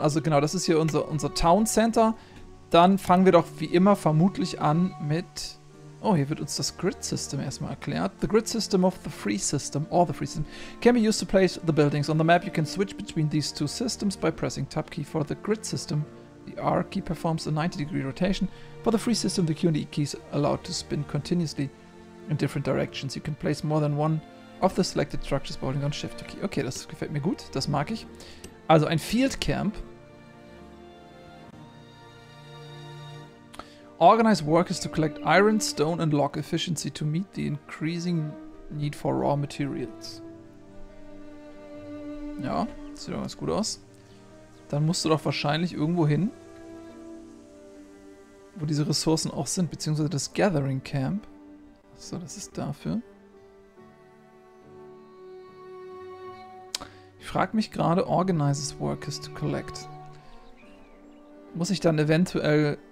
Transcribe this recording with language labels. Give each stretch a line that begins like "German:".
German: Also genau, das ist hier unser Town Center. Dann fangen wir doch wie immer vermutlich an mit... Oh, hier wird uns das Grid System erstmal erklärt.
English: The Grid System of the Free System, or the Free System, can be used to place the buildings. On the map you can switch between these two systems by pressing Tab Key. For the Grid System, the R key performs a 90 degree rotation. For the Free System, the Q and E keys allow to spin continuously in different directions. You can place more than one of the selected structures by holding on Shift Key.
German: Okay, das gefällt mir gut, das mag ich. Also ein Field Camp.
English: Organize workers to collect iron, stone and log efficiency to meet the increasing need for raw materials.
German: Ja, sieht doch ganz gut aus. Dann musst du doch wahrscheinlich irgendwo hin, wo diese Ressourcen auch sind, beziehungsweise das Gathering Camp. So, das ist dafür. Ich frage mich gerade,
English: organizes workers to collect.
German: Muss ich dann eventuell...